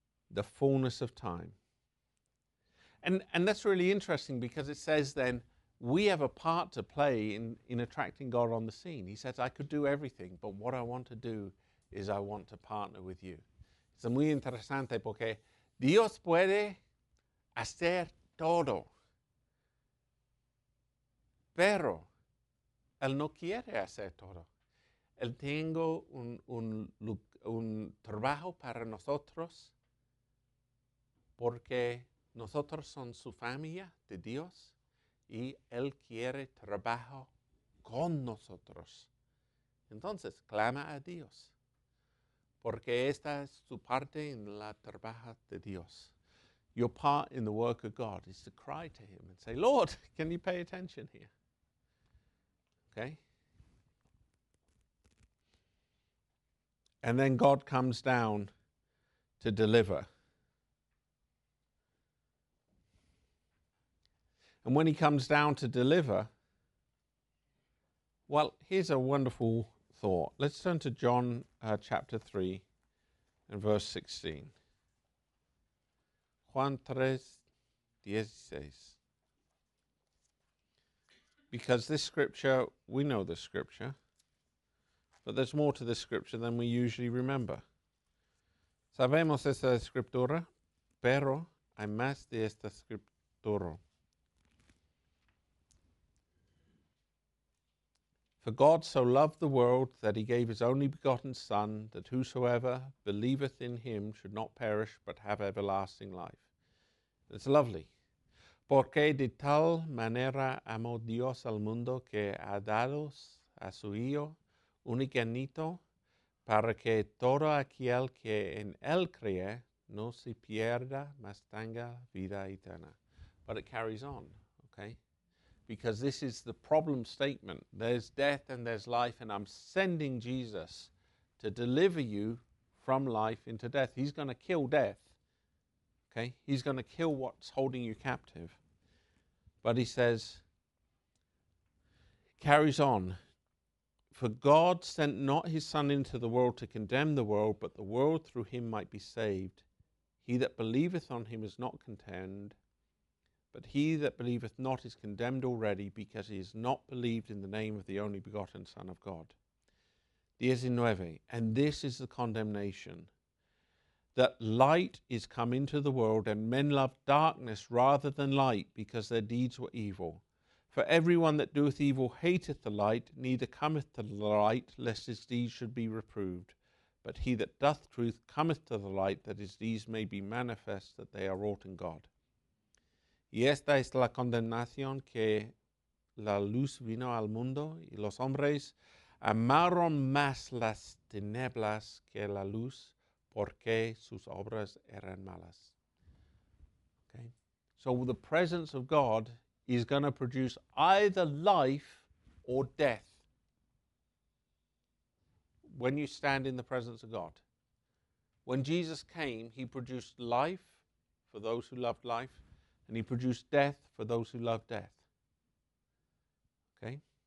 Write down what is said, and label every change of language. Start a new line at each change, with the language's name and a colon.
English: The fullness of time. And that's really interesting, because it says then, we have a part to play in attracting God on the scene. He says, I could do everything, but what I want to do is I want to partner with you.
Spanish: Es muy interesante porque Dios puede hacer todo. Pero él no quiere hacer todo. Él tengo un trabajo para nosotros porque nosotros somos su familia de Dios y él quiere trabajo con nosotros. Entonces, clama a Dios porque esta es su parte en la trabajo de Dios.
English: Your part in the work of God is to cry to him and say, Lord, can you pay attention here? Okay. And then God comes down to deliver. And when he comes down to deliver, well, here's a wonderful thought. Let's turn to John chapter 3 and verse 16.
Spanish: Juan 3, 16.
English: Because this scripture, we know the scripture, but there's more to this scripture than we usually remember.
Spanish: Sabemos esta escritura, pero hay más de esta escritura.
English: For God so loved the world that he gave his only begotten Son, that whosoever believeth in him should not perish, but have everlasting life. It's lovely.
Spanish: Porque de tal manera amó Dios al mundo que ha dado a su Hijo unigénito para que todo aquel que en él cree no se pierda, mas tenga vida eterna.
English: But it carries on, okay? Because this is the problem statement. There's death and there's life, and I'm sending Jesus to deliver you from life into death. He's going to kill death, okay? He's going to kill what's holding you captive. But he says, carries on, for God sent not his Son into the world to condemn the world, but the world through him might be saved. He that believeth on him is not condemned, but he that believeth not is condemned already, because he has not believed in the name of the only begotten Son of God. 19. And this is the condemnation, that light is come into the world, and men love darkness rather than light, because their deeds were evil. For everyone that doeth evil hateth the light, neither cometh to the light, lest his deeds should be reproved. But he that doth truth cometh to the light, that his deeds may be manifest, that they are wrought in God.
Spanish: Y esta es la condenación, que la luz vino al mundo, y los hombres amaron más las tinieblas que la luz, porque sus obras eran malas.
English: Okay. So the presence of God is going to produce either life or death when you stand in the presence of God. When Jesus came, he produced life for those who loved life, and he produced death for those who loved death. Okay?